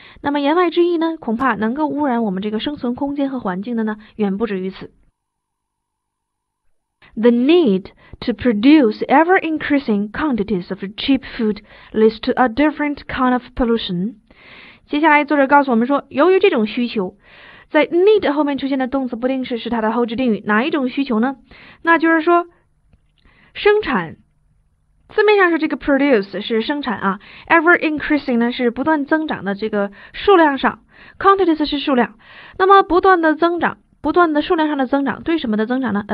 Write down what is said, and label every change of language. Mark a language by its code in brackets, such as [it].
[zh] 那么言外之意呢，恐怕能够污染我们这个生存空间和环境的呢，远不止于此。 [en] The need to produce ever-increasing quantities of cheap food leads to a different kind of pollution. [zh] 接下来作者告诉我们说，由于这种需求，在 need 后面出现的动词不定式是它的后置定语，哪一种需求呢？那就是说，生产，字面上是这个 produce 是生产啊， ever-increasing 呢是不断增长的这个数量上， quantities 是数量，那么不断的增长，不断的数量上的增长，对什么的增长呢？